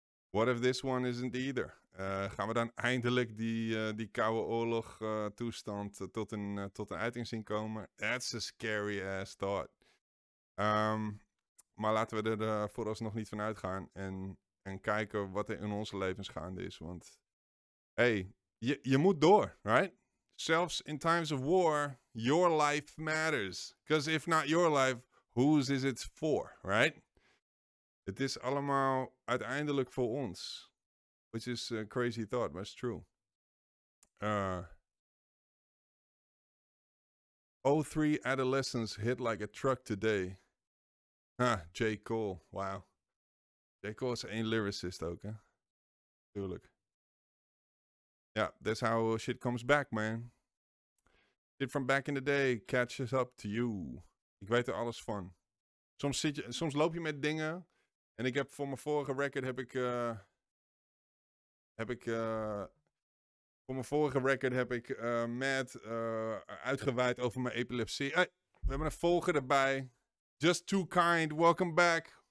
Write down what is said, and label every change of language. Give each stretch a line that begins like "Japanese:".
English: What if this one isn't either?
Dutch: Gaan we dan eindelijk die koude oorlog toestand tot een uiting zien komen?
English: That's a scary ass thought.
Dutch: Maar laten we er vooralsnog niet van uitgaan. En kijken wat er in onze levens gaande is. Want hey, je moet door, right?
English: Zelfs in times of war, your life matters. Because if not your life, whose is it for, right?
Dutch: Het is allemaal uiteindelijk voor ons.
English: Which is a crazy thought, but it's true. 03 adolescents hit like a truck today. Huh, J. Cole, wow. J.
Dutch: Cole is een lyricist ook, hè?
English: Tuurlijk. Yeah, that's how shit comes back, man. Shit from back in the day catches up to you.
Dutch: Ik weet er alles van. Soms loop je met dingen. En ik heb voor mijn vorige record uitgeweid over mijn epilepsie. Hey, we hebben een volger erbij.
English: Just too kind. Welcome back.